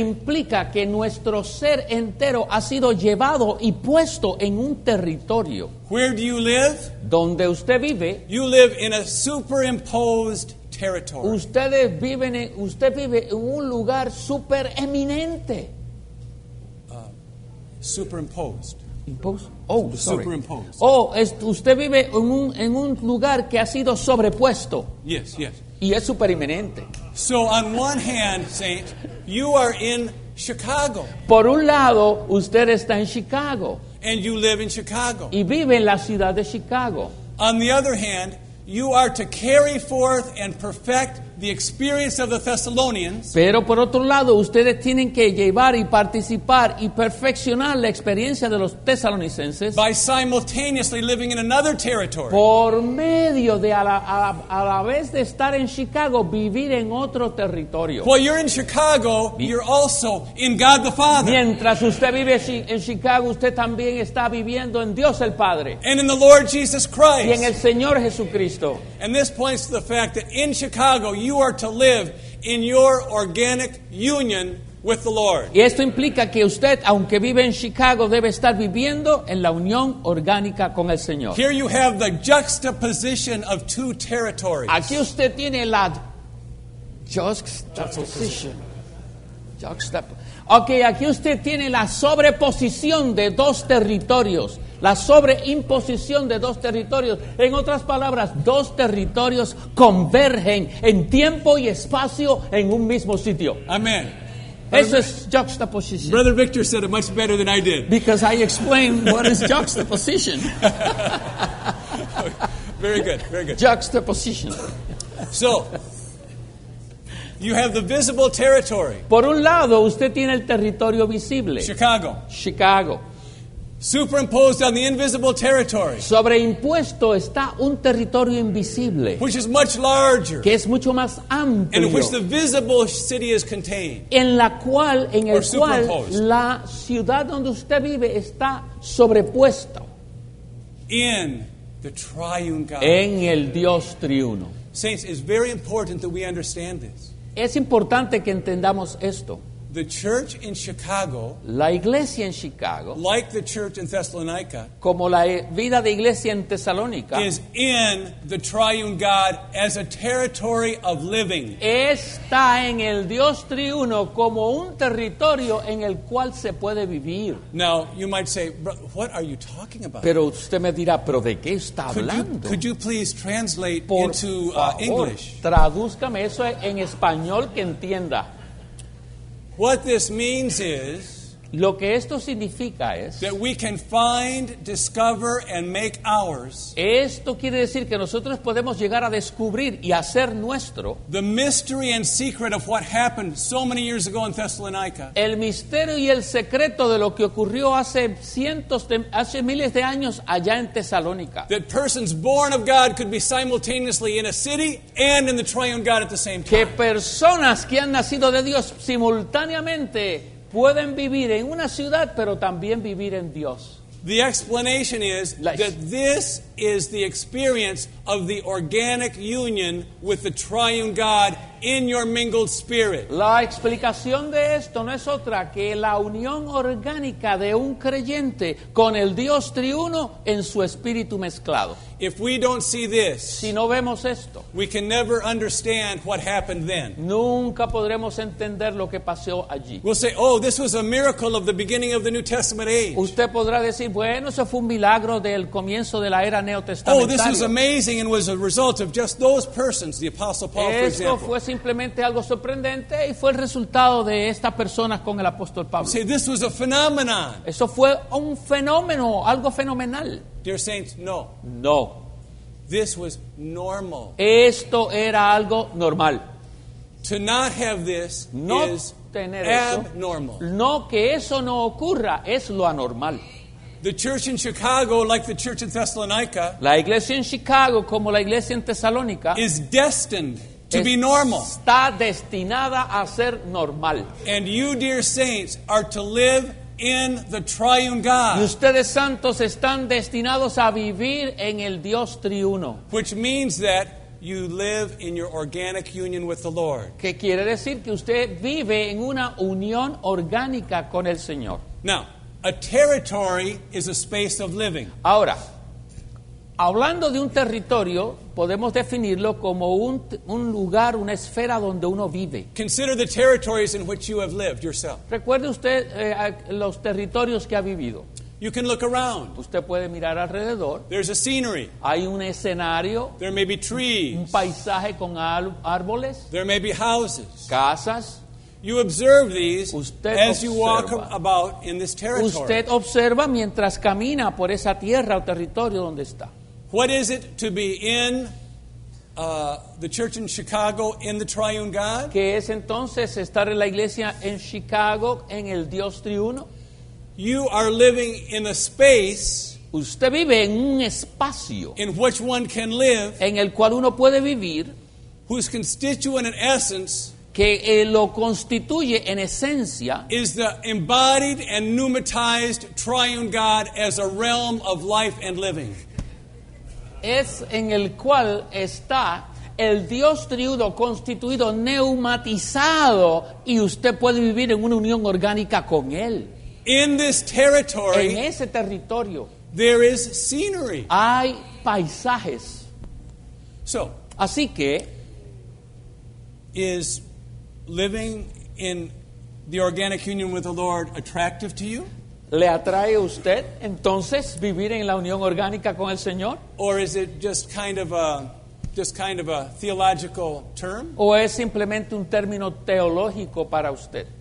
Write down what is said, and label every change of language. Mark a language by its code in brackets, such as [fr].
[es] Implica que nuestro ser entero ha sido llevado y puesto en un territorio. [en] Where do you live? [es] Donde usted vive. [en] You live in a superimposed territory. [es] Usted vive en un lugar super eminente. [en] Superimposed. Superimposed. [es] Usted vive en un lugar que ha sido sobrepuesto. [en] Yes, yes. [es] Y es supereminente. [en] So on one hand, Saint, you are in Chicago. [es] Por un lado, usted está en Chicago. [en] And you live in Chicago. [es] Y vive en la ciudad de Chicago. [en] On the other hand, you are to carry forth and perfect the experience of the Thessalonians. [es] Pero por otro lado, ustedes tienen que llevar y participar y perfeccionar la experiencia de los tesalonicenses. [en] By simultaneously living in another territory. [es] Por medio de a la vez de estar en Chicago, vivir en otro territorio. [en] While you're in Chicago, you're also in God the Father. [es] Mientras usted vive en Chicago, usted también está viviendo en Dios el Padre. [en] And in the Lord Jesus Christ. [es] Y en el Señor Jesucristo. [en] And this points to the fact that in Chicago, you are to live in your organic union with the Lord. [es] Y esto implica que usted, aunque vive en Chicago, debe estar viviendo en la unión orgánica con el Señor. [en] Here you have the juxtaposition of two territories. [es] Aquí usted tiene la juxtaposición. Okay, aquí usted tiene la sobreposición de dos territorios. La sobreimposición de dos territorios. En otras palabras, dos territorios convergen en tiempo y espacio en un mismo sitio. Amen. Eso es juxtaposición. [en] Brother Victor said it much better than I did. Because I explained what is juxtaposition. Very good. Juxtaposition. So, you have the visible territory. [es] Por un lado, usted tiene el territorio visible. [en] Chicago. Superimposed on the invisible territory. [es] Sobreimpuesto está un territorio invisible. [en] Which is much larger. [es] Que es mucho más amplio. [en] In which the visible city is contained. [es] En la cual, en el cual, la ciudad donde usted vive está sobrepuesto. [en] In the triune God. [es] En el Dios triuno. [en] Saints, it's very important that we understand this. [es] Es importante que entendamos esto. [en] The church in Chicago, [es] la iglesia en Chicago, [en] like the church in Thessalonica, [es] como la vida de iglesia en Tesalónica, [en] is in the triune God as a territory of living. [es] Está en el Dios triuno como un territorio en el cual se puede vivir. [en] Now, you might say, what are you talking about? [es] Pero usted me dirá, ¿pero de qué está hablando? [en] Could you please translate [es] Por [en] into [es] favor, [en] English? [es] Tradúzcame eso en español que entienda. [en] What this means is [es] lo que esto significa es [en] that we can find, discover, and make ours. [es] Esto quiere decir que nosotros podemos llegar a descubrir y hacer nuestro [en] the mystery and secret of what happened so many years ago in Thessalonica. [es] El misterio y el secreto de lo que ocurrió hace miles de años allá en Tesalónica. [en] That persons born of God could be simultaneously in a city and in the triune God at the same time. [es] Que personas que han nacido de Dios simultáneamente pueden vivir en una ciudad, pero también vivir en Dios. [en] The explanation is that this is the experience of the organic union with the triune God in your mingled spirit. [es] La explicación de esto no es otra que la unión orgánica de un creyente con el Dios triuno en su espíritu mezclado. [en] If we don't see this, [es] si no vemos esto, [en] we can never understand what happened then. [es] Nunca podremos entender lo que pasó allí. [en] We'll say, oh, this was a miracle of the beginning of the New Testament age. [es] Usted podrá decir, bueno, eso fue un milagro del comienzo de la era neotestamentaria. [en] Oh, this was amazing and was a result of just those persons, the Apostle Paul, [es] esto [en] for example. [es] Fue simplemente algo sorprendente y fue el resultado de estas personas con el apóstol Pablo. [en] See, this was a phenomenon. [es] Eso fue un fenómeno, algo fenomenal. [en] Dear saints, no. [es] No. [en] This was normal. [es] Esto era algo normal. [en] To not have this [es] no [en] is [es] tener [en] abnormal. [es] Eso. No que eso no ocurra es lo anormal. [en] The church in Chicago, like the church in Thessalonica, [es] la iglesia en Chicago como la iglesia en Tesalónica, [en] is destined to be normal. [es] Está destinada a ser normal. [en] And you, dear saints, are to live in the triune God. [es] Y ustedes santos están destinados a vivir en el Dios triuno. [en] Which means that you live in your organic union with the Lord. [es] Que quiere decir que usted vive en una unión orgánica con el Señor. [en] Now, a territory is a space of living. [es] Ahora, hablando de un territorio, podemos definirlo como un lugar, una esfera donde uno vive. [en] Consider the territories in which you have lived yourself. [es] Recuerde usted los territorios que ha vivido. [en] You can look around. [es] Usted puede mirar alrededor. [en] There's a scenery. [es] Hay un escenario. [en] There may be trees. [es] Un paisaje con árboles. [en] There may be houses. [es] Casas. [en] You observe these [es] usted [en] as [es] observa. [en] You walk about in this territory. [es] Usted observa mientras camina por esa tierra o territorio donde está. [en] What is it to be in the church in Chicago in the Triune God? [es] ¿Qué es entonces estar en la iglesia en Chicago en el Dios triuno? [en] You are living in a space. [es] Usted vive en un espacio. [en] In which one can live. [es] En el cual uno puede vivir. [en] Whose constituent and essence. [es] Que lo constituye en esencia. [en] Is the embodied and pneumatized triune God as a realm of life and living. [es] Es en el cual está el Dios triuno constituido, neumatizado, y usted puede vivir en una unión orgánica con él. [en] In this territory, [es] en ese territorio, [en] there is scenery. [es] Hay paisajes. [en] So, [es] así que, [en] is living in the organic union with the Lord attractive to you? [es] ¿Le atrae a usted entonces vivir en la unión orgánica con el Señor? [en] Or is it just kind of a theological term? [es] ¿O es simplemente un término teológico para usted?